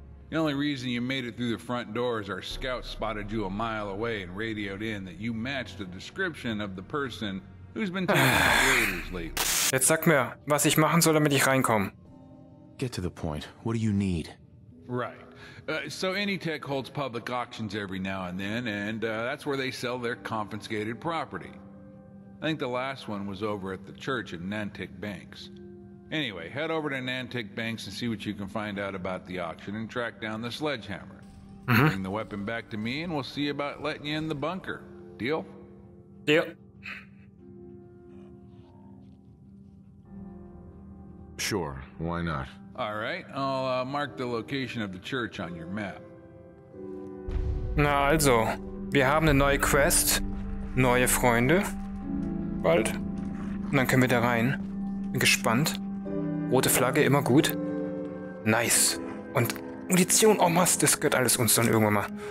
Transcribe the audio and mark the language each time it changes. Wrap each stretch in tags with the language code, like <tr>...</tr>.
<en>The only reason you made it through the front door is our scouts spotted you a mile away and radioed in that you matched the description of the person who's been taking out raiders lately.</en> <de>Jetzt sag mir, was ich machen soll, damit ich reinkomme.</de> <en>Get to the point. What do you need? Right. So Anytech holds public auctions every now and then, and that's where they sell their confiscated property. I think the last one was over at the church in Nantic Banks. Anyway, head over to Nantic Banks and see what you can find out about the auction and track down the sledgehammer. Mm-hmm. Bring the weapon back to me and we'll see about letting you in the bunker. Deal? Deal. Sure, why not? All right, I'll mark the location of the church on your map.</en> <de>Na also, wir haben eine neue Quest, neue Freunde. Bald. Und dann können wir da rein. Bin gespannt. Rote Flagge, immer gut. Nice. Und Munition, oh Mann, das gehört alles uns dann irgendwann mal.</de>